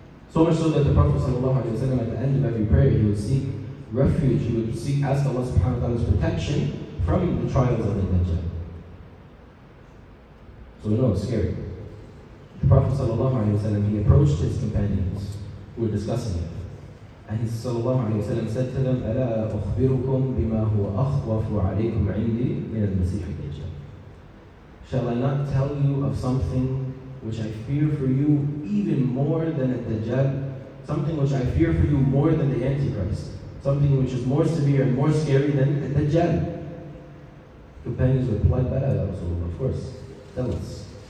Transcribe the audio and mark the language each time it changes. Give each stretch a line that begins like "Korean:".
English: So much so that the Prophet sallallahu alaihi wasallam, at the end of every prayer, he would seek refuge, he would ask Allah subhanahu wa ta'ala's protection from the trials of the Dajjal. So we know it's scary. The Prophet sallallahu alaihi wasallam, he approached his companions who were discussing it. And he sallallahu alaihi wasallam said to them,
Arabic: أَلَا أُخْبِرُكُمْ بِمَا هُوَ أَخْوَفُ عَلَيْكُمْ عِنْدِي مِنَ الْمَسِيحِ الدَّجَّالِ.
English: Shall I not tell you of something which I fear for you even more than a Dajjal? Something which I fear for you more than the Antichrist. Something which is more severe and more scary than a Dajjal. Companions replied,
Arabic: بَلَا يَا رَسُولُ اللَّهِ.
English: Of course, tell us.